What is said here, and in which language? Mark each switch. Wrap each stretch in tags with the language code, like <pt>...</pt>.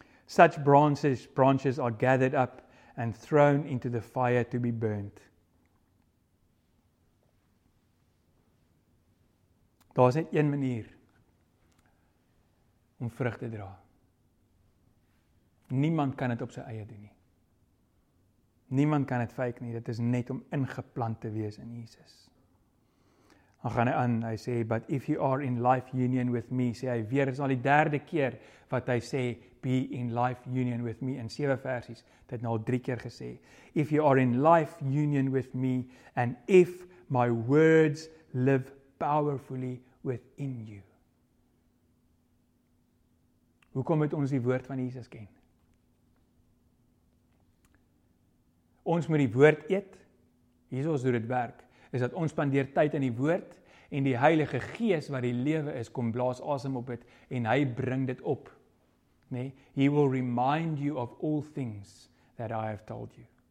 <en>Such branches are gathered up and thrown into the fire to be burnt.</en> <af>Daar is net een manier om vrug te dra. Niemand kan dit op sy eie doen nie. Niemand kan dit fake nie. Dit is net om ingeplant te wees in Jesus. Dan gaan hy aan, hy sê,</af> <en>but if you are in life union with me,</en> <af>sê hy weer, is al die derde keer wat hy sê,</af> <en>be in life union with me,</en> <af>in 7 versies, dit nou al 3 keer gesê,</af> <en>if you are in life union with me, and if my words live powerfully within you.</en> <af>Hoekom moet ons die woord van Jesus ken? Ons moet die woord eet, Jesus doen dit werk, is dat ons spandeer tyd in die woord, en die Heilige Gees wat die lewe is, kom blaas asem op dit, en hy bring dit op. Nee?</af> <en>He will remind you of all things that I have told you.</en>